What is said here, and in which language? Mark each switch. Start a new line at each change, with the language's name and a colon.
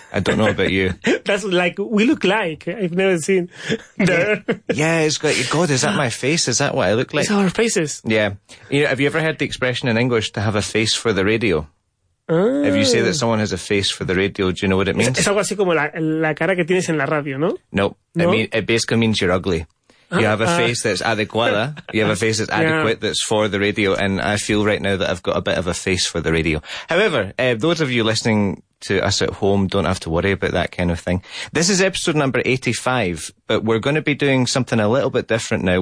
English: I don't know about you. That's like, we look like. I've never seen that. Yeah, it's got, God, is that my face? Is that what I look like? It's our faces. Yeah. You know, have you ever heard the expression in English to have a face for the radio? If you say that someone has a face for the radio, do you know what it means?
Spanish: Es algo así como la cara que tienes en la radio, ¿no?
English: No. It basically means you're ugly. You have a face that's adequada. You have a face that's adequate, that's for the radio. And I feel right now that I've got a bit of a face for the radio. However, those of you listening to us at home don't have to worry about that kind of thing. This is episode number 85, but we're going to be doing something a little bit different now.